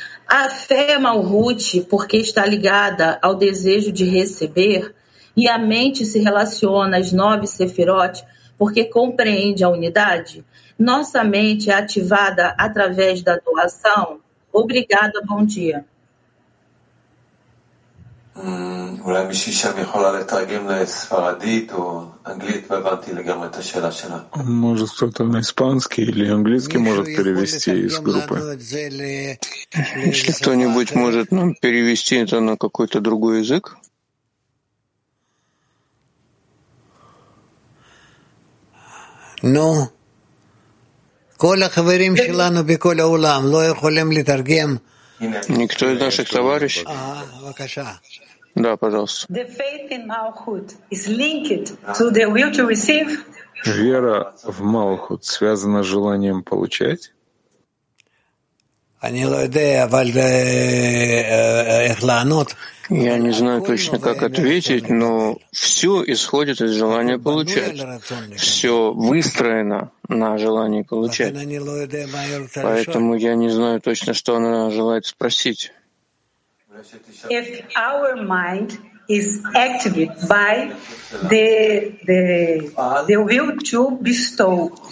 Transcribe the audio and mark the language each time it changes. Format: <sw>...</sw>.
<pt>A fé é malhute porque está ligada ao desejo de receber e a mente se relaciona às nove sefirot porque compreende a unidade. Nossa mente é ativada através da doação. Obrigada, bom dia.</pt> <he>אולי מישהי שם יכולה לתרגם לספרדית או אנגלית, לא הבנתי לגמרי את השאלה שלה.</he> <ru>может кто-то на испанский или английский может перевести из группы. Если кто-нибудь может нам перевести это на какой-то другой язык?</ru> <he>Ну, כל החברים שלנו בכל העולם לא יכולים לתרגם.</he> <ru>Никто из наших товарищей? Ага, пожалуйста. Да, пожалуйста.</ru> <en>The faith in Malchut is linked to the will to receive.</en> <ru>Вера в Малхут связана с желанием получать. Я не знаю точно, как ответить, но все исходит из желания получать. Все выстроено на желании получать. Поэтому я не знаю точно, что она желает спросить.</ru> <en>If our mind is activated by the will to bestow.</en>